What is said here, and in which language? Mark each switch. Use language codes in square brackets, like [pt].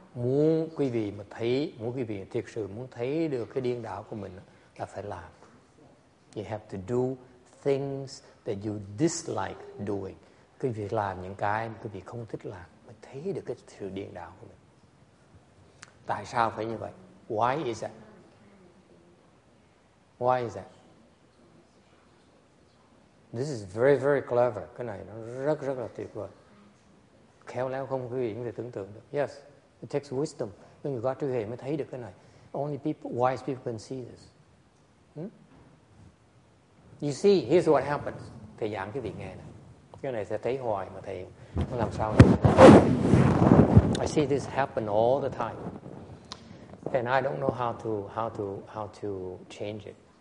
[vi] Muốn quý vị mà thấy, muốn quý vị thực sự muốn thấy được cái điên đảo của mình là phải làm. [en] You have to do things that you dislike doing. [vi] Quý vị làm những cái mà quý vị không thích làm mới thấy được cái sự điên đảo của mình. Tại sao phải như vậy? [en] Why is that? Why is that? This is very, very clever. [vi] Cái này nó rất, rất là tuyệt vời. Khéo léo không quý vị có thể tưởng tượng được. [en] Yes, it takes wisdom. [vi] Nhưng người có trí huệ mới thấy được cái này. [en] Only people, wise people can see this. You see, here's what happens. [vi] Thầy giảng quý vị nghe này. Cái này sẽ thấy hoài mà thầy không làm sao được. [en] I see this happen all the time. And I don't know how to change it.